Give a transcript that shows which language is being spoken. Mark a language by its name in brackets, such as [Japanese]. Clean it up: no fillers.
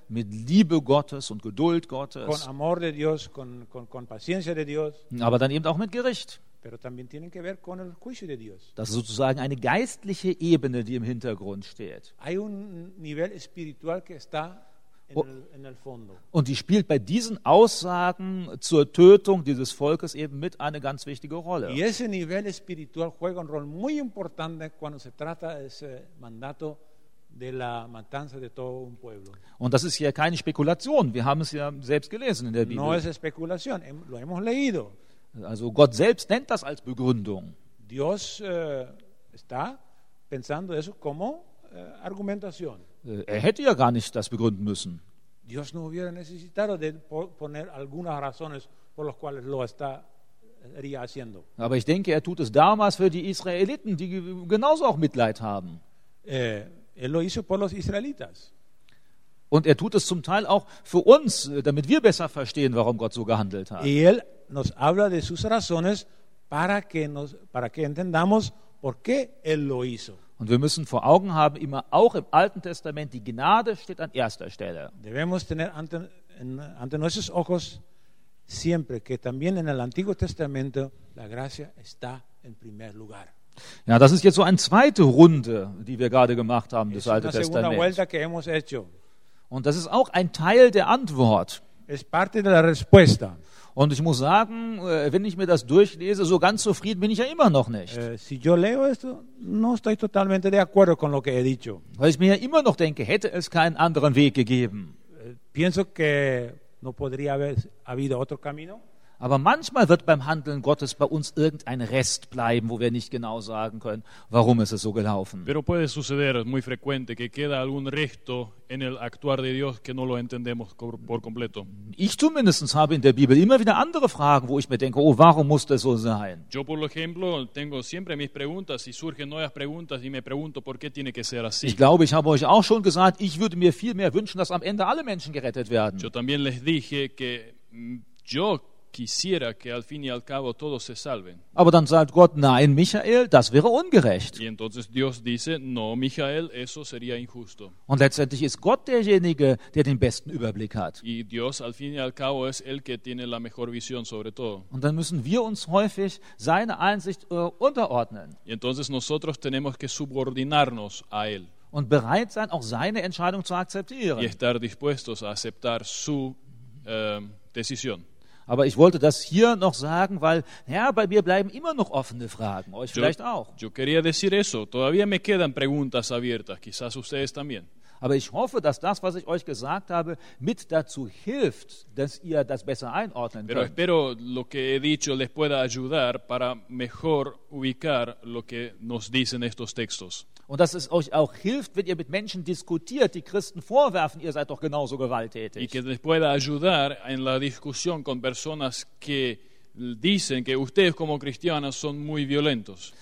[German] mit Liebe Gottes und Geduld Gottes, [Spanish] con amor de Dios, con paciencia de Dios, [German] aber dann eben auch mit Gericht. [Spanish] Pero también tienen que ver con el juicio de Dios. [German] Das ist sozusagen eine geistliche Ebene, die im Hintergrund steht. [Spanish] Hay un nivel espiritual que está en el fondo. [German] Und die spielt bei diesen Aussagen zur Tötung dieses Volkes eben mit eine ganz wichtige Rolle. [Spanish] Y ese nivel espiritual juega un rol muy importante cuando se trata de ese mandato de la matanza de todo un pueblo. [German] Und das ist hier keine Spekulation. Wir haben es ja selbst gelesen in der Bibel. [Spanish] No es especulación. Lo hemos leído. [German] Also Gott selbst nennt das als Begründung. [Spanish] Dios está pensando eso como argumentación. [German] Er hätte ja gar nicht das begründen müssen. [Spanish] Dios no hubiera necesitado de poner algunas razones por las cuales lo está haciendo. [German] Aber ich denke, er tut es damals für die Israeliten, die genauso auch Mitleid haben. [Spanish] Él lo hizo por los israelitas. [German] Und er tut es zum Teil auch für uns, damit wir besser verstehen, warum Gott so gehandelt hat. [Spanish] Nos habla de sus razones para que entendamos por qué él lo hizo. [German] Und wir müssen vor Augen haben, immer auch im Alten Testament, die Gnade steht an erster Stelle. [Spanish] Debemos tener ante nuestros ojos siempre que también en el Antiguo Testamento la gracia está en primer lugar. [German] Ja, das ist jetzt so eine zweite Runde, die wir gerade gemacht haben, das Alte Testament. [Spanish] Es una segunda vuelta que hemos hecho. [German] Und das ist auch ein Teil der Antwort. [Spanish] Es parte de la respuesta. [German] Und ich muss sagen, wenn ich mir das durchlese, so ganz zufrieden bin ich ja immer noch nicht. [Spanish] Si yo leo esto, no estoy totalmente de acuerdo con lo que he dicho. [German] Weil ich mir ja immer noch denke, hätte es keinen anderen Weg gegeben. [Spanish] Pienso que no podría haber habido otro camino. [German] Aber manchmal wird beim Handeln Gottes bei uns irgendein Rest bleiben, wo wir nicht genau sagen können, warum ist es so gelaufen. [Spanish] Pero puede suceder, es muy frecuente, que queda algún resto en el actuar de Dios que no lo entendemos por completo. [German] Ich zumindest habe in der Bibel immer wieder andere Fragen, wo ich mir denke, oh, warum muss das so sein? [Spanish] Yo, por ejemplo, tengo siempre mis preguntas y surgen nuevas preguntas y me pregunto por qué tiene que ser así. [German] Ich glaube, ich habe euch auch schon gesagt, ich würde mir viel mehr wünschen, dass am Ende alle Menschen gerettet werden. [Spanish] Yo también les dije que yo quisiera que al fin y al cabo todos se salven. [German] Aber dann sagt Gott, nein, Michael, das wäre ungerecht. [Spanish] Y entonces Dios dice, no, Michael, eso sería injusto. [German] Und letztendlich ist Gott derjenige, der den besten Überblick hat. [Spanish] Y Dios al fin y al cabo es el que tiene la mejor visión sobre todo. [German] Und dann müssen wir uns häufig seine Einsicht unterordnen. [Spanish] Y entonces nosotros tenemos que subordinarnos a él. [German] Und bereit sein, auch seine Entscheidung zu akzeptieren. [Spanish] Y estar dispuestos a aceptar su decisión. [German] Aber ich wollte das hier noch sagen, weil ja, bei mir bleiben immer noch offene Fragen, euch vielleicht auch. [Spanish] Yo quería decir eso. Todavía me quedan preguntas abiertas, quizás ustedes también. [German] Aber ich hoffe, dass das, was ich euch gesagt habe, mit dazu hilft, dass ihr das besser einordnen könnt. [Spanish] Pero espero lo que he dicho les pueda ayudar para mejor ubicar lo que nos dicen estos textos. [German] Und dass es euch auch hilft, wenn ihr mit Menschen diskutiert, die Christen vorwerfen, ihr seid doch genauso gewalttätig. [Spanish] Y que les pueda ayudar en la discusión con personas que dicen que ustedes como cristianos son muy violentos.